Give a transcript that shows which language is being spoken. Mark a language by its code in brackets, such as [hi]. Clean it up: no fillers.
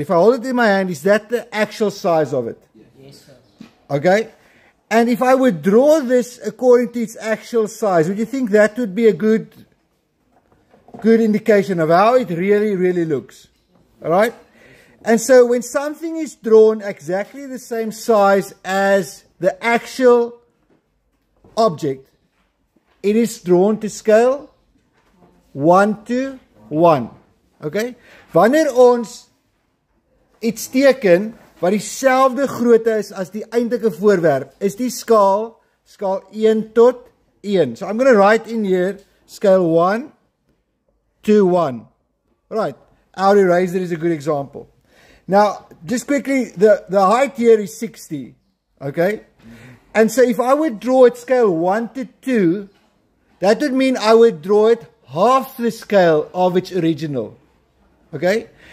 [en] If I hold it in my hand, is that the actual size of it? Okay, and if I would draw this according to its actual size, would you think that would be a good indication of how it really, really looks? All right, and so when something is drawn exactly the same size as the actual object, it is drawn to scale 1:1. [af] Okay, wanneer ons iets teken wat dieselfde grootte is as die eintlike voorwerp, is die skaal, skaal 1:1. [en] So I'm going to write in here, scale 1:1. Right, our eraser is a good example. Now, just quickly, the height here is 60, okay? And so if I would draw it scale 1:2, that would mean I would draw it half the scale of its original, okay?